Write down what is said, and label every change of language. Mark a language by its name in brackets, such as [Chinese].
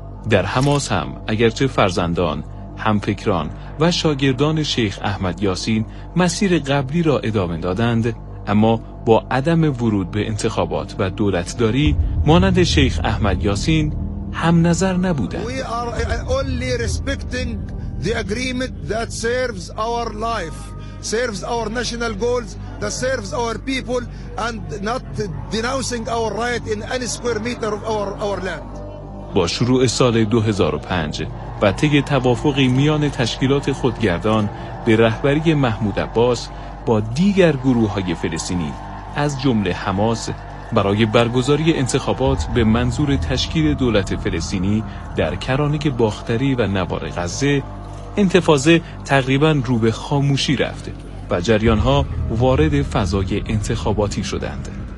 [Persian] در حماس هم اگرچه فرزندان، همفکران و شاگردان شیخ احمد یاسین مسیر قبلی را ادامه دادند، اما با عدم ورود به انتخابات و دولتداری مانند شیخ احمد یاسین هم نظر نبودند. [English] We are only respecting the agreement that serves our life, serves our national goals, that serves our people and not denouncing our right in any square meter of our land. [Persian] با شروع سال 2005 و طی توافقی میان تشکیلات خودگردان به رهبری محمود عباس با دیگر گروه های فلسطینی از جمله حماس برای برگزاری انتخابات به منظور تشکیل دولت فلسطینی در کرانه باختری و نوار غزه، انتفاضه تقریبا رو به خاموشی رفته و جریان ها وارد فضای انتخاباتی شدند.